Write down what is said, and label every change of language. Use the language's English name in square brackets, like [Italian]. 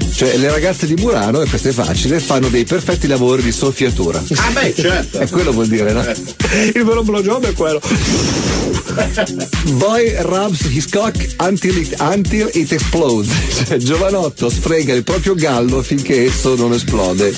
[Italian] Cioè, le ragazze di Murano, e questo è facile, fanno dei perfetti lavori di soffiatura. Ah beh, certo. E quello vuol dire, no? Il vero blow job è quello. [English] Boy rubs his cock until it explodes. [Italian] Cioè, giovanotto sfrega il proprio gallo finché esso non esplode.